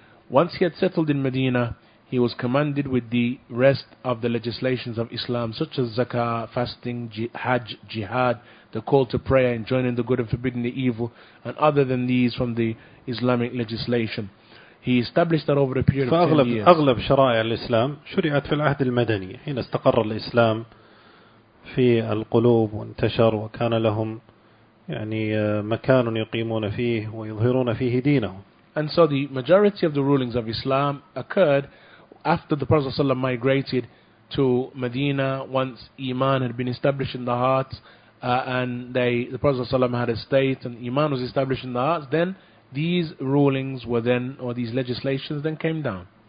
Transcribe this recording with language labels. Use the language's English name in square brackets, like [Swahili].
[English] Once he had settled in Medina, he was commanded with the rest of the legislations of Islam, such as zakah, fasting, hajj, jihad, the call to prayer, enjoining the good and forbidding the evil, and other than these from the Islamic legislation. He established that over a period of 10 years. [Arabic] أغلب شرائع الإسلام شرعت في العهد المدني حين استقر الإسلام في القلوب وانتشر وكان لهم يعني مكان يقيمون فيه ويظهرون فيه دينهم. [English] And so the majority of the rulings of Islam occurred after the Prophet ﷺ migrated to Medina, once Iman had been established in the hearts, and the Prophet ﷺ had a state and Iman was established in the hearts, then these rulings were then, or these legislations then came down.